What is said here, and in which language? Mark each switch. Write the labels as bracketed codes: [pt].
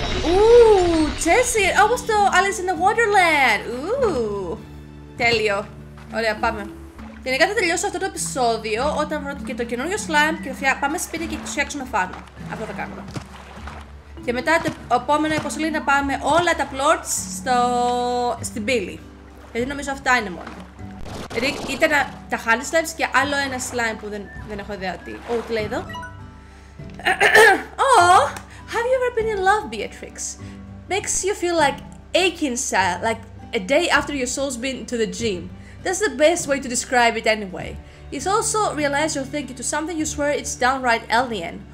[el] Ooh, Jesse, όπως το Alice in the Wonderland. Ooh. Τέλειο. Ωραία, πάμε. Γενικά θα τελειώσω αυτό το επεισόδιο όταν βρω και το καινούριο slime και πάμε σπίτι και φτιάξουμε φάνο. Αυτό θα κάνουμε. Και μετά το επόμενο αποστολή να πάμε όλα τα plots στην πύλη. Γιατί νομίζω αυτά είναι μόνο. Ήταν τα honey slimes και άλλο ένα slime που δεν έχω ιδέα τι. Ω, τι λέει εδώ. [en] Oh, have you ever been in love, Beatrix? Makes you feel like aching sad, like a day after your soul's been to the gym. That's the best way to describe it anyway. It's also realize you're thinking to something you swear it's downright alien.